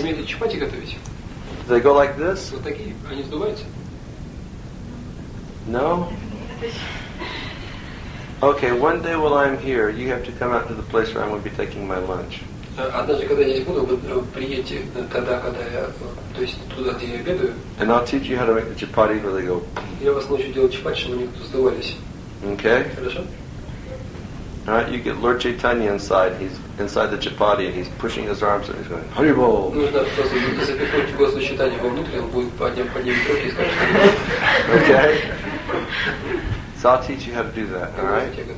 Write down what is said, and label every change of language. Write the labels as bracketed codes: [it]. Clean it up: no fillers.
[ru] Умеете чапати готовить? [en] Do they go like this? [ru] Вот такие, они сдуваются? [en] No? Okay, one day while I'm here, you have to come out to the place where I'm going to be taking my lunch. [ru] Однажды, когда я здесь буду, вы приедете тогда, когда я, то есть туда, где я обедаю. [en] And I'll teach you how to make the chapati where they go. [ru] Я вас научу делать чапати, чтобы они сдувались. [en] Okay. [ru] Хорошо. [en] All right, you get Lord Chaitanya inside. He's inside the chapati and he's pushing his arms and he's going, "Hari Bol." [ru] Нужно просто запихнуть Господа Чайтанью вовнутрь, он будет поднимать руки и скажет. [en] Okay. So I'll teach you how to do that, all right?